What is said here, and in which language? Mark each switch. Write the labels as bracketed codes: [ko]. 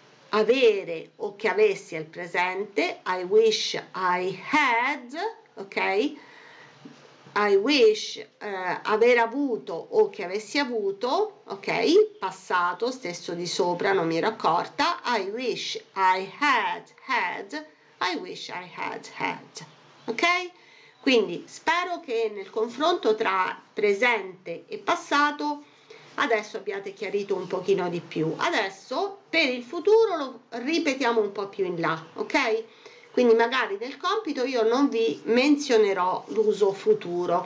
[it] Avere o che avessi al presente, [en] I wish I had, [it] ok? I wish aver avuto o che avessi avuto, ok? Passato, stesso di sopra, non mi ero accorta. [en] I wish I had had, I wish I had had, ok? [it] Quindi spero che nel confronto tra presente e passato adesso abbiate chiarito un pochino di più. Adesso per il futuro lo ripetiamo un po' più in là, ok? Quindi magari nel compito io non vi menzionerò l'uso futuro.